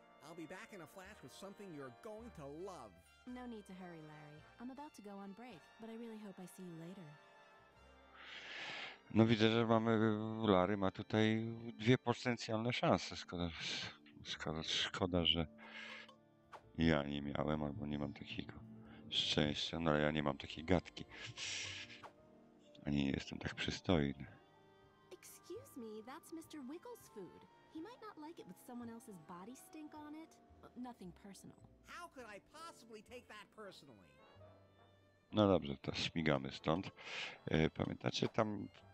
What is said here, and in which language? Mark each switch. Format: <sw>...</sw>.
<en>I'll be back in a flash with something you're going to love. No need to hurry, Larry. I'm about to go on break, but I really hope I see you later.</en> <pl>No widzę, że mamy... Larry ma tutaj dwie potencjalne szanse. Szkoda, że ja nie miałem albo nie mam takiego szczęścia. No ale ja nie mam takiej gadki. Ani nie jestem tak przystojny.</pl> <en>Excuse me, that's Mr. Wiggles' food. He might not like it with someone else's body stink on it. Nothing personal. How could I possibly take that personally?</en> <pl>No dobrze, to śmigamy stąd. Pamiętacie tam...</pl>